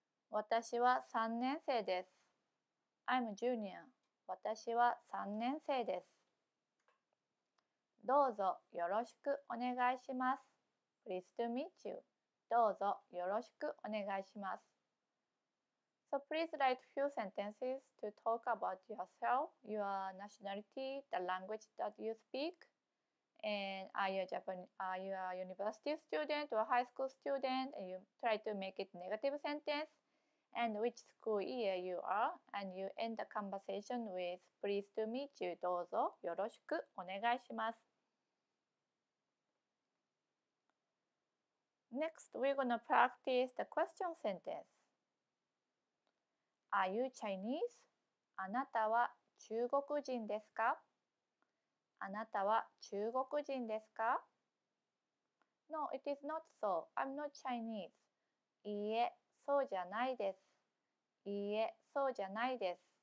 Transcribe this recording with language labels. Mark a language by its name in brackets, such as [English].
[Japanese] 私は3年生です。 [English] I'm a junior. [Japanese] 私は3年生です。どうぞよろしくお願いします。 [English] Please to meet you. [Japanese] どうぞよろしくお願いします。 [English] So please write a few sentences to talk about yourself, your nationality, the language that you speak, and are you a Japanese, are you a university student or high school student, and you try to make it negative sentence. And which school year you are, and you end the conversation with Please to meet you. [Japanese] どうぞよろしくお願いします。 [English] Next, we're going to practice the question sentence. Are you Chinese? [Japanese] あなたは中国人ですか？あなたは中国人ですか？ [English] No, it is not so. I'm not Chinese. [Japanese] いいえ、そうじゃないです。いいえ、そうじゃないです。